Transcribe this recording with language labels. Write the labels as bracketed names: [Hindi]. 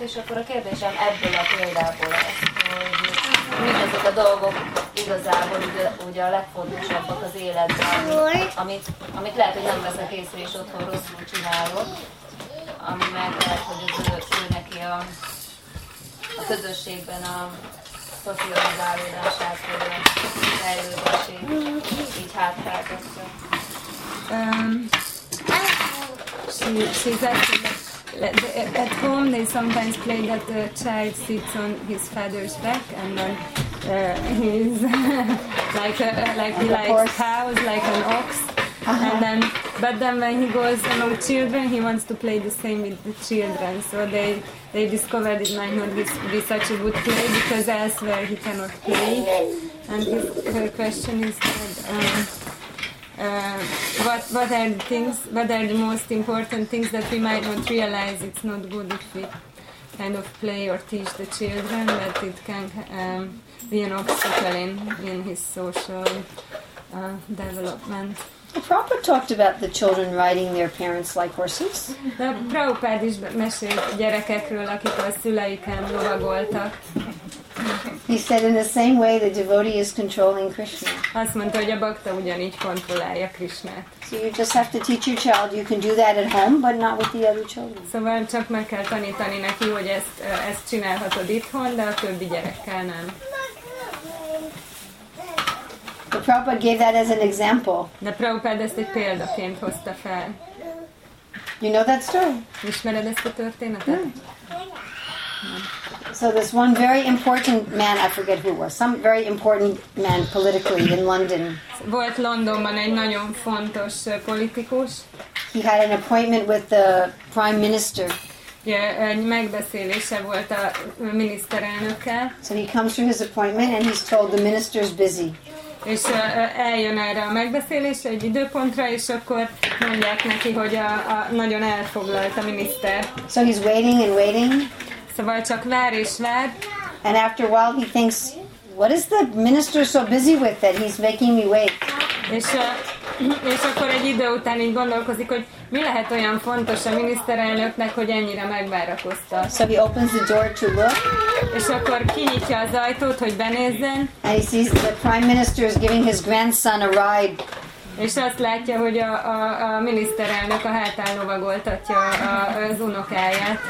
[Hungarian] És akkor a kérdésem ebből a példából lesz, hogy mik azok a dolgok igazából ugye a legfontosabbak az életben, amit lehet, hogy nem veszek észre, és otthon rosszul csinálok, ami meg lehet, hogy az ő neki a közösségben a szocializálódását, hogy a fejlődését így hátráltatja. [English] At home, they sometimes play that the child sits on his father's back, and then he's likes cows, like an ox. Uh-huh. But then when he goes among children, he wants to play the same with the children. So they discovered it might not be such a good play because elsewhere he cannot play. And her question is that. What are the most important things that we might not realize it's not good if we kind of play or teach the children that it can be an obstacle in his social development. Prabhupada talked about the children riding their parents like horses. [Hungarian] De Prabhupád is mesélt gyerekekről, akik a szüleiken lovagoltak. [English] He said, in the same way, the devotee is controlling Krishna. [Hungarian] Azt mondta, hogy a bhakta ugyanígy kontrollálja Krishnát. [English] So you just have to teach your child. You can do that at home, but not with the other children. [Hungarian] Szóval csak meg kell tanítani neki, hogy ezt csinálhatod itthon, de a többi gyerekkel nem. [English] The Prabhupada gave that as an example. [Hungarian] De Prabhupád ezt egy példaként hozta fel. [English] You know that story? [Hungarian] Ismered ezt a történetet? [English] So this one very important man, I forget who it was, some very important man politically in London. [Hungarian] Volt Londonban egy nagyon fontos politikus. [English] He had an appointment with the prime minister. [Hungarian] Yeah, egy megbeszélése volt a miniszterelnökkel. [English] So he comes to his appointment and he's told the minister's busy. [Hungarian] És eljön erre a megbeszélésre egy időpontra, és akkor mondják neki, hogy a nagyon elfoglalt a miniszter. [English] So he's waiting and waiting. [Hungarian] Szóval csak vár és vár. [English] And after a while he thinks, what is the minister so busy with that he's making me wait? [Hungarian] És akkor egy idő után így gondolkozik, hogy mi lehet olyan fontos a miniszterelnöknek, hogy ennyire megvárakozta. [English] So he opens the door to look. [Hungarian] És akkor kinyitja az ajtót, hogy benézzen. [English] And he sees the prime minister is giving his grandson a ride. [Hungarian] És azt látja, hogy a miniszterelnök a hátán lovagoltatja az unokáját.